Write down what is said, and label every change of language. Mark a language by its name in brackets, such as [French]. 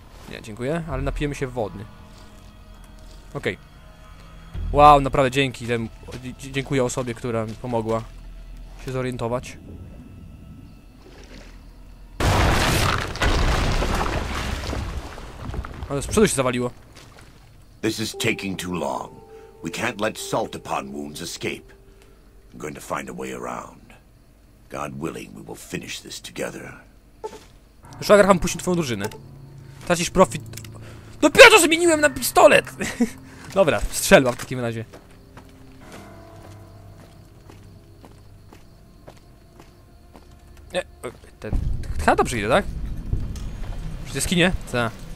[Polish] Nie, dziękuję, ale napijemy się wody. Okej. Okay. Wow, naprawdę dzięki temu. Dziękuję osobie, która mi pomogła się zorientować. Ale z przodu się zawaliło. [English] This is taking too long. We can't let salt upon wounds escape. I'm going to find a way around. God willing, we will finish this together. [Polish] Już Graham puścił twoją drużynę. Tracisz profit. Dopiero zmieniłem na pistolet! Dobra, strzelam w takim razie. Nie, chyba dobrze idę, tak? Przy jaskinie? Ta.